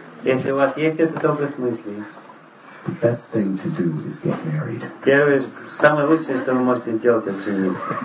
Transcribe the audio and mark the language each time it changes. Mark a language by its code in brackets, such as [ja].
[ru] если у вас есть этот образ мысли, [en] the best thing to do is get married. [ru] Первое, самое лучшее, что вы можете делать, это жениться.